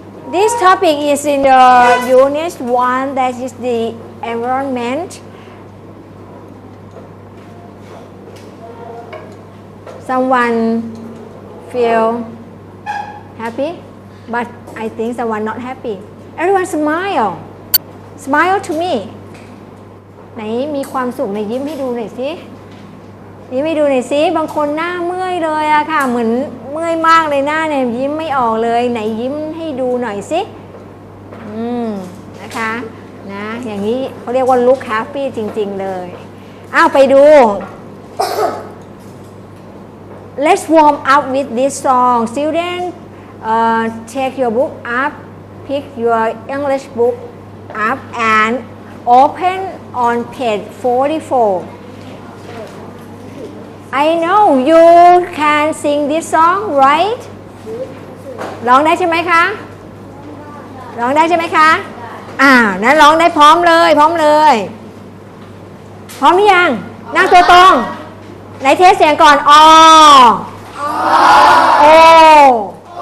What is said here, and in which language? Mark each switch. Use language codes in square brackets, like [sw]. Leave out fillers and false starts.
[en] This topic is in the unit 1, that is the environment. Someone feel happy, but I think someone not happy. Everyone smile. Smile to me. [th] ไหนมีความสุขในยิ้มให้ดูหน่อยสิยิ้มให้ดูหน่อยสิบางคนหน้าเมื่อยเลยอะค่ะเหมือนเมื่อยมากเลยหน้าเนี่ยยิ้มไม่ออกเลยไหนยิ้มให้ดูหน่อยสินะคะนะอย่างนี้เขาเรียกว่า [en] look happy [th] จริงๆเลยอ้าวไปดู [en] Let's warm up with this song. Student, take your book up, pick your English book up, and open on page 44. I know you can sing this song, right? [th] ร้องได้ใช่ไหมคะร้องได้ใช่ไหมคะนั้นร้องได้พร้อมเลยพร้อมเลยพร้อมหรือยังนั่งตัวตรงไหนเทสเสียงก่อน ออ โ อ โ